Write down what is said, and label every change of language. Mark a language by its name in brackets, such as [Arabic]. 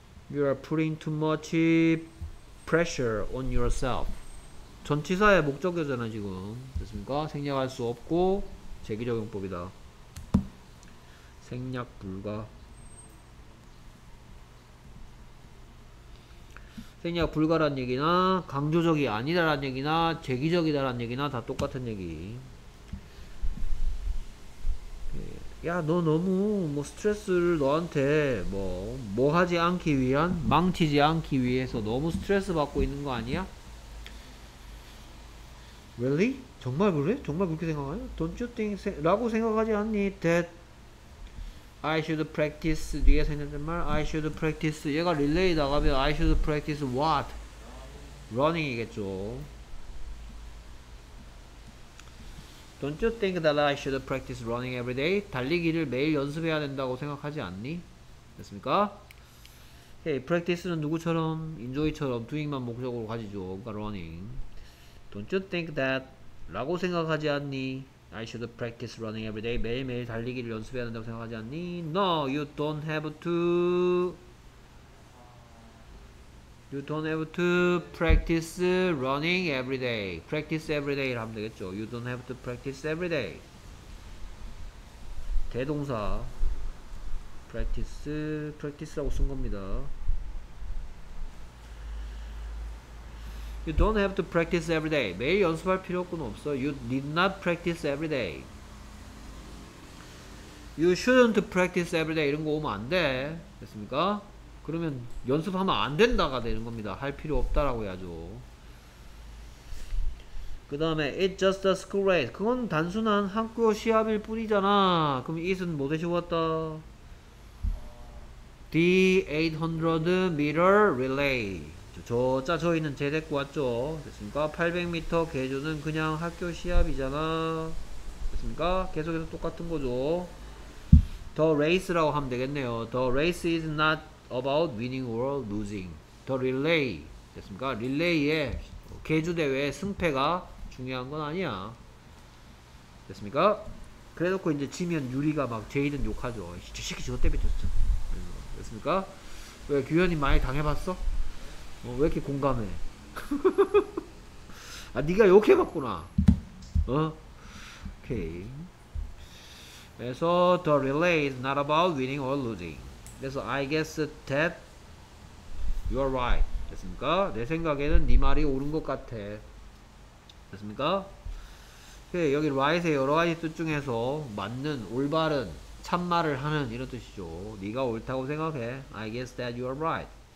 [English] You are putting too much pressure on yourself. [Korean] 전치사의 목적어잖아 지금. 됐습니까? 생략할 수 없고 재기적용법이다. 생략 불가. 생략 불가란 얘기나 강조적이 아니다란 얘기나 재기적이다란 얘기나 다 똑같은 얘기. 야, 너 너무 뭐 스트레스를 너한테 뭐 하지 않기 위한 망치지 않기 위해서 너무 스트레스 받고 있는 거 아니야? [English] Really? [Korean] 정말 그래? 정말 그렇게 생각하냐? [English] Don't you think [Korean] 라고 생각하지 않니? [English] That I should practice [Korean] 뒤에 생겼던 말 [English] I should practice [Korean] 얘가 릴레이 나가면 [English] I should practice what? [Korean] Running이겠죠. [English] Don't you think that I should practice running every day? [Korean] 달리기를 매일 연습해야 된다고 생각하지 않니? 됐습니까? [English] Hey, [Korean] practice는 누구처럼? [English] Enjoy처럼 doing만 [Korean] 목적으로 가지죠. 그러니까 [English] running. Don't you think that? [Korean] 라고 생각하지 않니? [English] I should practice running every day. [Korean] 매일매일 달리기를 연습해야 된다고 생각하지 않니? [English] No, you don't have to. You don't have to practice running every day. Practice every day [Korean] 하면 되겠죠. [English] You don't have to practice every day. [Korean] 대동사 practice라고 쓴 겁니다. [English] You don't have to practice every day. [Korean] 매일 연습할 필요는 없어. [English] You need not practice every day. You shouldn't practice every day. [Korean] 이런 거 오면 안 돼. 됐습니까? 그러면 연습하면 안 된다가 되는 겁니다. 할 필요 없다라고 해야죠. 그 다음에 [English] It's just a school race. [Korean] 그건 단순한 학교 시합일 뿐이잖아. 그럼 It은 뭐 대신 왔다? [English] The 800m relay. [Korean] 저자 저희는 제 데리고 왔죠. 됐습니까? 800m 계주는 그냥 학교 시합이잖아. 됐습니까? 계속해서 똑같은 거죠. [English] The race [Korean] 라고 하면 되겠네요. [English] The race is not about winning or losing. The relay. [Korean] 됐습니까? 릴레이의 계주대회의 승패가 중요한 건 아니야. 됐습니까? 그래놓고 이제 지면 유리가 막 제이든 욕하죠. 저 새끼 저거 때려줬어. 됐습니까? 왜 규현이 많이 당해봤어? 어, 왜 이렇게 공감해? 아, 니가 욕해봤구나. 어? 오케이. 그래서, [English] the relay is not about winning or losing. [Korean] 그래서, [English] I guess that you are right. [Korean] 됐습니까? 내 생각에는 니 말이 옳은 것 같아. 됐습니까? 오케이. 여기 right의 여러 가지 뜻 중에서, 맞는, 올바른, 참말을 하는 이런 뜻이죠. 니가 옳다고 생각해. [English] I guess that you are right.